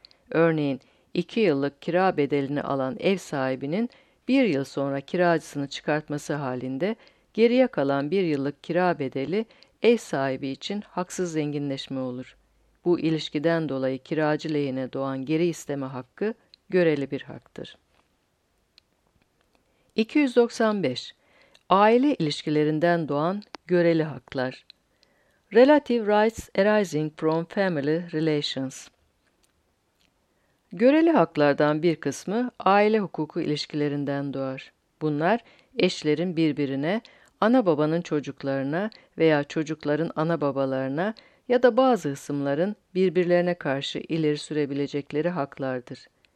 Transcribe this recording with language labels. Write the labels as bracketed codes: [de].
[tr] Örneğin, 2 yıllık kira bedelini alan ev sahibinin 1 yıl sonra kiracısını çıkartması halinde geriye kalan 1 yıllık kira bedeli ev sahibi için haksız zenginleşme olur. Bu ilişkiden dolayı kiracı lehine doğan geri isteme hakkı göreli bir haktır. 295. Aile ilişkilerinden doğan göreli haklar. [en] Relative rights arising from family relations. [tr] Göreli haklardan bir kısmı aile hukuku ilişkilerinden doğar. Bunlar eşlerin birbirine, ana babanın çocuklarına veya çocukların ana babalarına ya da bazı hısımların birbirlerine karşı ileri sürebilecekleri haklardır.